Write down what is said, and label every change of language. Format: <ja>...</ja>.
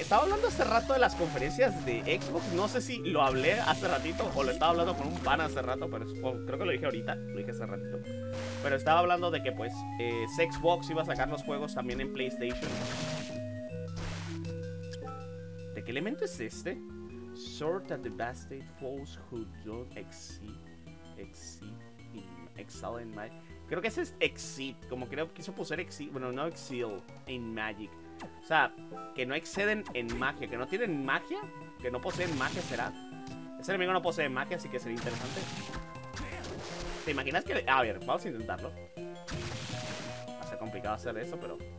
<es>Estaba hablando hace rato de las conferencias de Xbox. No sé si lo hablé hace ratito o lo estaba hablando con un pan hace rato, pero creo que lo dije ahorita, lo dije hace ratito. Pero estaba hablando de que, pues, Xbox iba a sacar los juegos también en PlayStation. ¿De qué elemento es este?</es> <en>Sort and devastate foes who don't exceed in magic.</en> <es>Creo que ese es exceed, como creo que quiso poner exceed, bueno, no</es> <en>exceed in magic.</en> <es>O sea, que no exceden en magia, que no tienen magia, que no poseen magia, será. Ese enemigo no posee magia, así que sería interesante. ¿Te imaginas que...? A ver, vamos a intentarlo. Va a ser complicado hacer eso, pero...</es>